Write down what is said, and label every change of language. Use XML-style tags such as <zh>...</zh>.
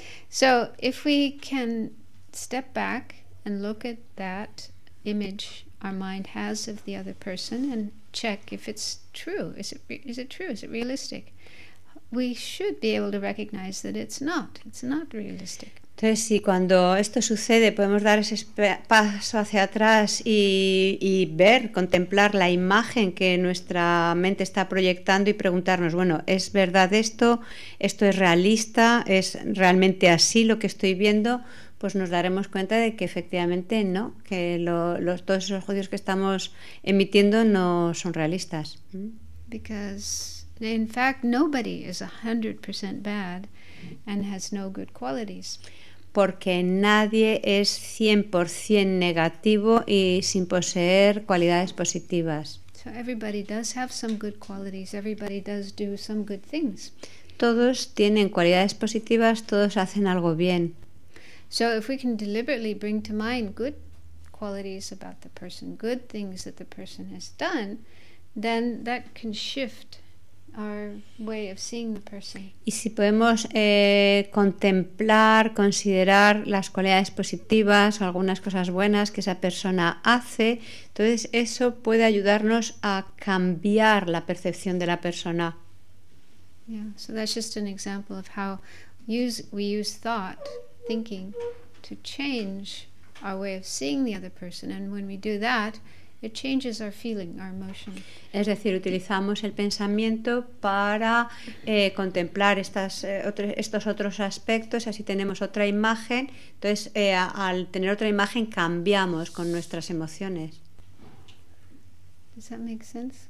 <en>So if we can step back and look at that image our mind has of the other person and check if it's true, is it true? Is it realistic? We should be able to recognize that it's not. It's not realistic.</en> <es>Entonces, si cuando esto sucede podemos dar ese paso hacia atrás y ver, contemplar la imagen que nuestra mente está proyectando y preguntarnos, bueno, ¿es verdad esto? ¿Esto es realista? ¿Es realmente así lo que estoy viendo? Pues nos daremos cuenta de que efectivamente no, que todos esos juicios que estamos emitiendo no son realistas.</es> <en>Because in fact nobody is 100% bad and has no good qualities.</en> <es>Porque nadie es 100% negativo y sin poseer cualidades positivas.</es> <en>So everybody does have some good qualities. Everybody does do some good things.</en> <es>Todos tienen cualidades positivas, todos hacen algo bien.</es> <en>So if we can deliberately bring to mind good qualities about the person, good things that the person has done, then that can shift our way of seeing the person.</en> <es>Y si podemos contemplar, considerar las cualidades positivas o algunas cosas buenas que esa persona hace, entonces eso puede ayudarnos a cambiar la percepción de la persona.</es> <en>Yeah, so that's just an example of how we use thought, thinking, to change our way of seeing the other person. And when we do that, it changes our feeling, our emotion.</en> <es>Es decir, utilizamos el pensamiento para contemplar estos otros aspectos, así tenemos otra imagen. Entonces, al tener otra imagen, cambiamos con nuestras emociones.</es> <en>Does that make sense?</en>